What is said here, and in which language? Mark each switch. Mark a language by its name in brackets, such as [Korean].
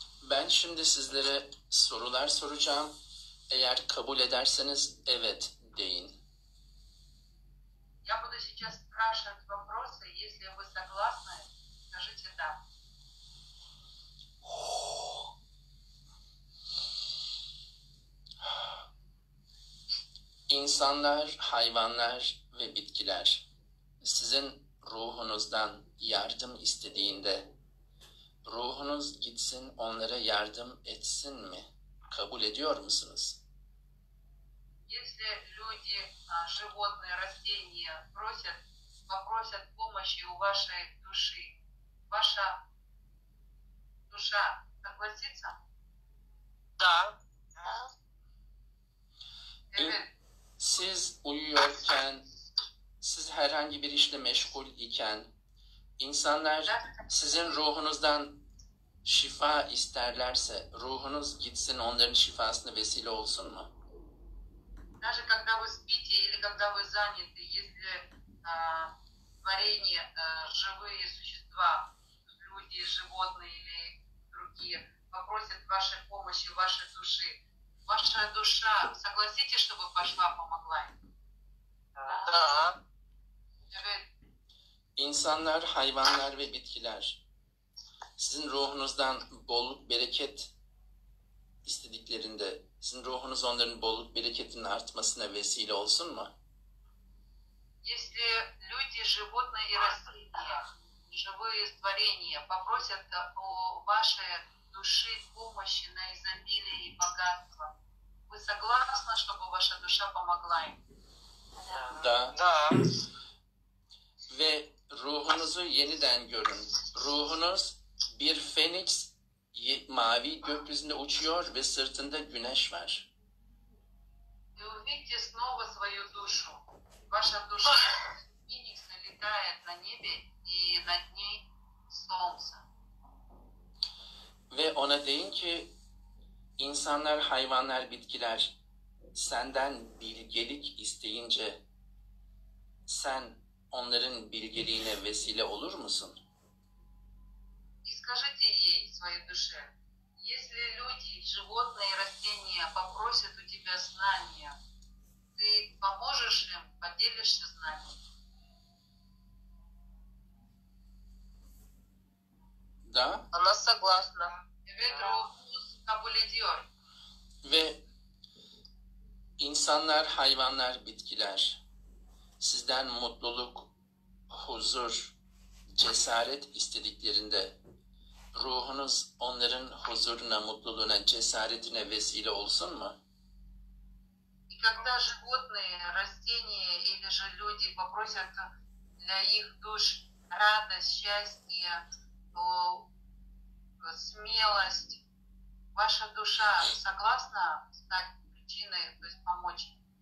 [Turkish] Ben şimdi sizlere sorular soracağım. Eğer kabul ederseniz evet deyin. [Russian] Я буду сейчас спрашивать вопросы, если вы согласны, скажите да. [Turkish] İnsanlar, hayvanlar ve bitkiler sizin ruhunuzdan yardım istediğinde ruhunuz gitsin onlara yardım etsin mi? Kabul ediyor musunuz? [Russian] Если люди, животные, растения попросят помощи у вашей души, ваша душа согласится? Да. [Turkish] Siz uyuyorken, siz herhangi bir işle meşgul iken, insanlar sizin ruhunuzdan şifa isterlerse ruhunuz gitsin onların şifasına vesile olsun mu? [Russian] Даже когда вы спите или когда вы заняты, если творение живые существа, люди, животные или другие попросят вашей помощи, вашей души, ваша душа, согласитесь, чтобы пошла помогла им? Да. [Turkish] Evet. İnsanlar, hayvanlar ve bitkiler sizin ruhunuzdan bolluk bereket istediklerinde sizin ruhunuz onların bolluk bereketinin artmasına vesile olsun mu? [Russian] Если люди, животные и растения, живые творения попросят у вашей души помощи на изобилие и богатство, вы согласны, чтобы ваша душа помогла им? Да. Да. [Turkish] Ve ruhunuzu yeniden görün. Ruhunuz bir feniks mavi gökyüzünde uçuyor ve sırtında güneş var. [Russian] Увидьте снова свою душу. Ваша душа феникс летает на небе и над ней солнце. [Turkish] Ve ona deyin ki insanlar, hayvanlar, bitkiler senden bilgelik isteyince sen onların bilgeliğine vesile olur musun? [Russian] И скажите ей своей душе, если люди, животные, растения попросят у тебя знания, ты поможешь им, поделишься знанием? Да? Она согласна. [Turkish] Kabul ediyor. Ve insanlar, hayvanlar, bitkiler sizden mutluluk, huzur, cesaret istediklerinde ruhunuz onların huzuruna, mutluluğuna, cesaretine vesile olsun mu? [Russian] И когда животные, растения или же люди попросят для их душ радость, счастье, смелость, ваша душа согласна стать причиной, то есть помочь?